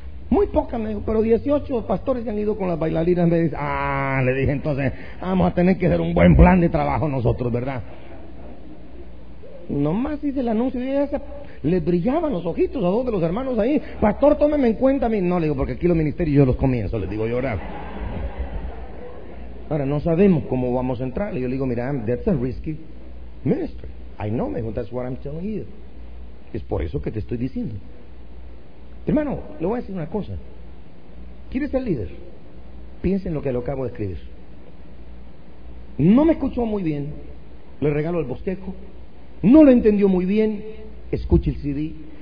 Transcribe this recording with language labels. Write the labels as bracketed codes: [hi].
[es] Muy pocas, me dijo, pero 18 pastores se han ido con las bailarinas. Me dice, le dije, entonces vamos a tener que hacer un buen plan de trabajo nosotros, ¿verdad? Nomás hice el anuncio y ella se... le brillaban los ojitos a dos de los hermanos ahí. Pastor, tómeme en cuenta a mí. No, le digo, porque aquí los ministerios yo los comienzo, les digo yo ahora. Ahora, no sabemos cómo vamos a entrar. Y yo le digo, mira, [en] that's a risky ministry. I know, [es] me dijo, [en] that's what I'm telling you. [es] Es por eso que te estoy diciendo. Hermano, le voy a decir una cosa. ¿Quieres ser líder? Piensa en lo que le acabo de escribir. No me escuchó muy bien. Le regalo el bosquejo. No lo entendió muy bien. Escuche el CD.